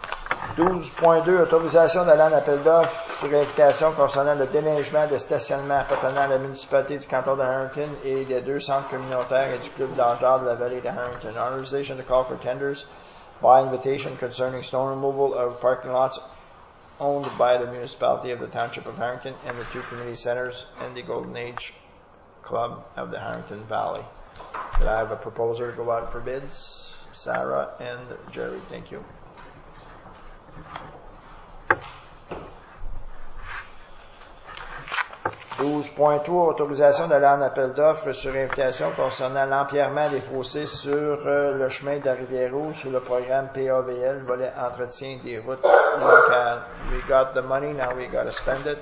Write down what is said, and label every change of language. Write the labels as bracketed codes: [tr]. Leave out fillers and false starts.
[fr] Uh, 12.2, autorisation d'aller en appel d'offres sur invitation concernant le déneigement des stationnements appartenant à la municipalité du canton de Harrington et des deux centres communautaires et du club d'argent de la vallée de Harrington. [en] Authorization to call for tenders by invitation concerning snow removal of parking lots owned by the municipality of the township of Harrington and the two community centers and the Golden Age Club of the Harrington Valley. Could I have a proposer to go out for bids? Sarah and Jerry, thank you. [fr] 12.3, autorisation d'aller en appel d'offres sur invitation concernant l'empierrement des fossés sur le chemin de la rivière Rouge sur le programme PAVL, volet entretien des routes locales. [en] We got the money, now we got to spend it.